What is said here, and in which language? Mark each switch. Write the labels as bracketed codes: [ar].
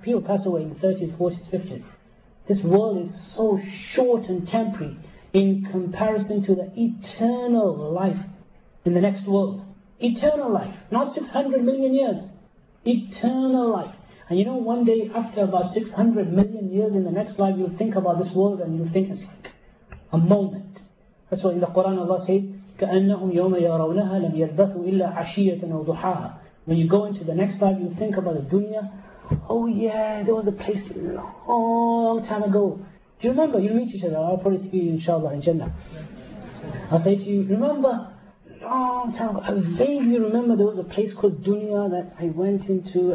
[en] People pass away in 30s, 40s, 50s. This world is so short and temporary in comparison to the eternal life in the next world. Eternal life, not 600 million years. Eternal life. And you know, one day after about 600 million years in the next life, you'll think about this world and you'll think it's like a moment. That's what in the Quran Allah says, [ar] كَأَنَّهُمْ يَوْمَ يَرَوْنَهَا لَمْ يَلْبَثُوا إِلَّا عَشِيَّةً أَوْ ضُحَاهَا. [en] When you go into the next life, you think about the dunya. Oh yeah, there was a place a long time ago. Do you remember? You'll meet each other. I'll probably see you inshallah in Jannah. I'll say to you, remember? Long time ago. I vaguely remember there was a place called dunya that I went into.